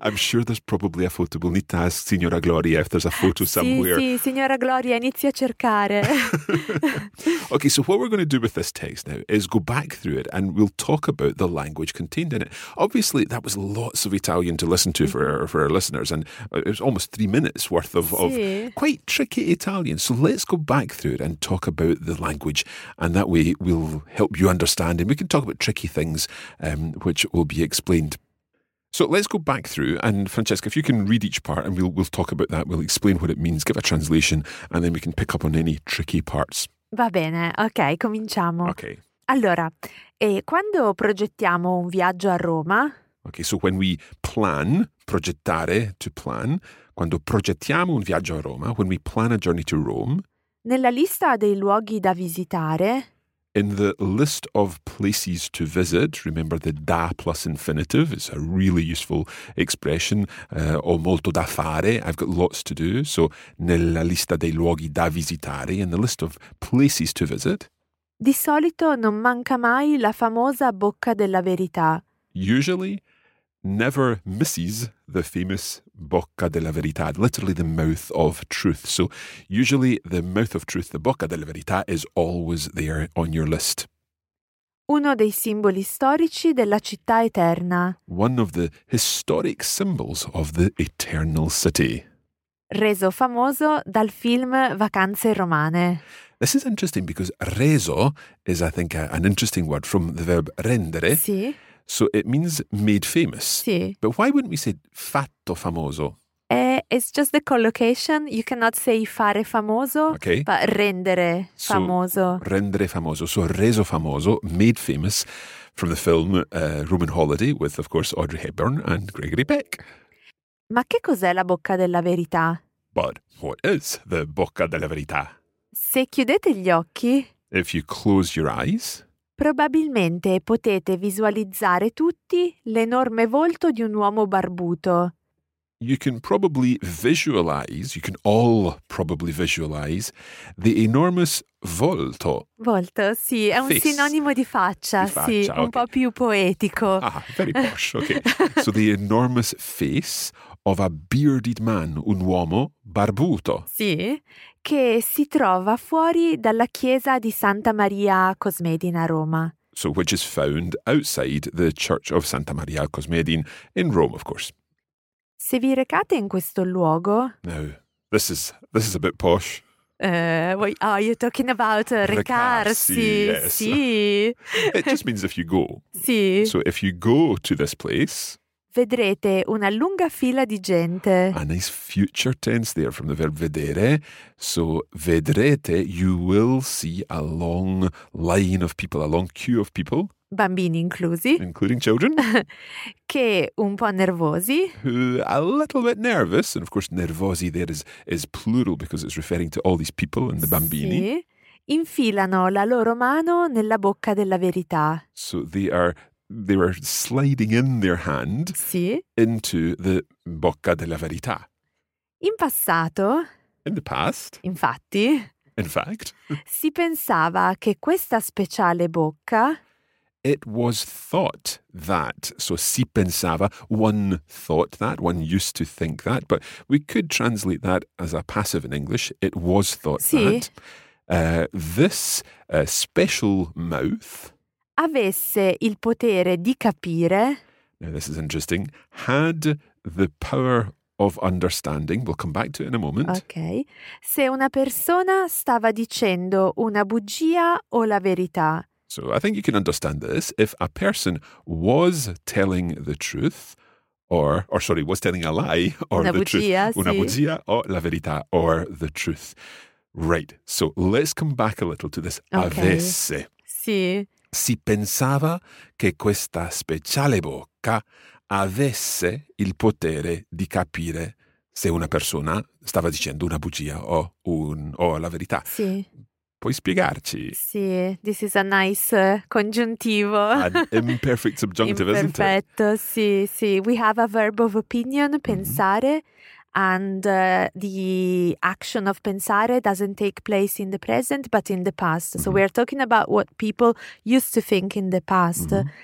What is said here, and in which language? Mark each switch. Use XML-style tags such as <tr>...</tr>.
<en>I'm sure there's probably a photo. We'll need to ask Signora Gloria if there's a photo somewhere.</en> <it>Sì, Signora Gloria, inizia a cercare.</it> <en>Okay, so what we're going to do with this text now is go back through it, and we'll talk about the language contained in it. Obviously, that was lots of Italian to listen to for our listeners, and it was almost 3 minutes worth of quite tricky Italian. So let's go back through it and talk about the language, and that way we'll help you understand, and we can talk about tricky things which will be explained. So let's go back through, and Francesca, if you can read each part, and we'll talk about that, we'll explain what it means, give a translation, and then we can pick up on any tricky parts.</en> <it>Va bene, ok, cominciamo. Ok. Allora, quando progettiamo un viaggio a Roma...</it> <en>Ok, so when we plan, progettare, to plan,</en> <it>quando progettiamo un viaggio a Roma,</it> <en>when we plan a journey to Rome...</en> <it>Nella lista dei luoghi da visitare...</it> <en>In the list of places to visit, remember the da plus infinitive, it's a really useful expression,</en> <it>ho molto da fare,</it> <en>I've got lots to do. So,</en> <it>nella lista dei luoghi da visitare,</it> <en>in the list of places to visit.</en> <it>Di solito non manca mai la famosa bocca della verità.</it> <en>Usually, never misses the famous bocca della verità, literally the mouth of truth. So usually the mouth of truth, the bocca della verità, is always there on your list.</en> <it>Uno dei simboli storici della città eterna.</it> <en>One of the historic symbols of the eternal city.</en> <it>Reso famoso dal film Vacanze Romane.</it> <en>This is interesting because reso is, I think, an interesting word from the verb rendere.</en> <it>Sì.</it> <en>So it means made famous.</en> <it>Sì.</it> <en>But why wouldn't we say fatto famoso? It's just the collocation. You cannot say fare famoso, okay. But rendere famoso. So, rendere famoso. So reso famoso, made famous from the film Roman Holiday with, of course, Audrey Hepburn and Gregory Peck.</en> <it>Ma che cos'è la bocca della verità?</it> <en>But what is the bocca della verità?</en> <it>Se chiudete gli occhi...</it> <en>If you close your eyes...</en> <it>Probabilmente potete visualizzare tutti l'enorme volto di un uomo barbuto.</it> <en>You can probably visualize, you can all probably visualize the enormous volto.</en> <it>Volto, sì, è un</it> <en>face.</en> <it>Sinonimo di faccia, di faccia, sì,</it> <en>okay.</en> <it>Un po' più poetico.</it> <en>Ah, very posh, okay. So the enormous face of a bearded man,</en> <it>un uomo barbuto. Sì, che si trova fuori dalla chiesa di Santa Maria Cosmedin a Roma.</it> <en>So which is found outside the Church of Santa Maria Cosmedin in Rome, of course.</en> <it>Se vi recate in questo luogo...</it> <en>Now, this is a bit posh. Are you talking about recarsi? Yes.</en> <it>Sì.</it> <en>It just means if you go.</en> <it>Sì.</it> <en>So if you go to this place...</en> <it>Vedrete una lunga fila di gente.</it> <en>A nice future tense there from the verb vedere. So vedrete, you will see a long line of people, a long queue of people.</en> <it>Bambini inclusi.</it> <en>Including children.</en> <it>Che un po' nervosi.</it> <en>Who a little bit nervous. And of course nervosi there is plural because it's referring to all these people and the bambini.</en> <it>Sì. Infilano la loro mano nella bocca della verità.</it> <en>So they were sliding in their hand.</en> <it>Sì.</it> <en>Into the bocca della verità.</en> <it>In passato.</it> <en>In the past.</en> <it>Infatti.</it> <en>In fact.</en> <it>Si pensava che questa speciale bocca...</it> <en>It was thought that, so</en> <it>si pensava,</it> <en>one thought that, one used to think that, but we could translate that as a passive in English, it was thought</en> <it>sì.</it> <en>That, this special mouth</en> <it>avesse il potere di capire,</it> <en>now this is interesting, had the power of understanding, we'll come back to it in a moment. Okay.</en> <it>Se una persona stava dicendo una bugia o la verità.</it> <en>So I think you can understand this. If a person was telling the truth was telling a lie or</en> <it>una</it> <en>the</en> <it>bugia,</it> <en>truth.</en> <it>Sì. Una bugia o la verità</it> <en>or the truth. Right. So let's come back a little to this. Okay.</en> <it>Avesse. Sì. Si pensava che questa speciale bocca avesse il potere di capire se una persona stava dicendo una bugia o la verità. Sì. Puoi spiegarci?</it> <en>Sì, this is a nice congiuntivo. An imperfect subjunctive, isn't it?</en> <it>Imperfetto, sì, sì.</it> <en>We have a verb of opinion, pensare, mm-hmm. And the action of pensare doesn't take place in the present, but in the past. So mm-hmm. We are talking about what people used to think in the past. Mm-hmm.</en>